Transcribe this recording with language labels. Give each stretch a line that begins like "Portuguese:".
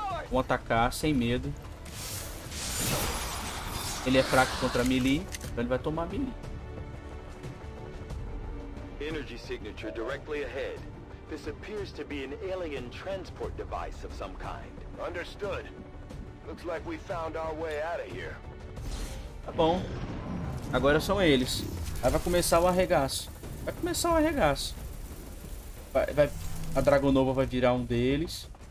Portuguese: Vamos atacar sem medo. Ele é fraco contra melee, então ele vai tomar melee.
English: Energy signature directly ahead. This appears to be an alien transport device of some kind. Understood. Looks like we found our way out of here.
Portuguese: Tá bom. Agora são eles. Aí vai começar o arregaço. Vai começar o arregaço. Vai a Dragonova vai virar um deles.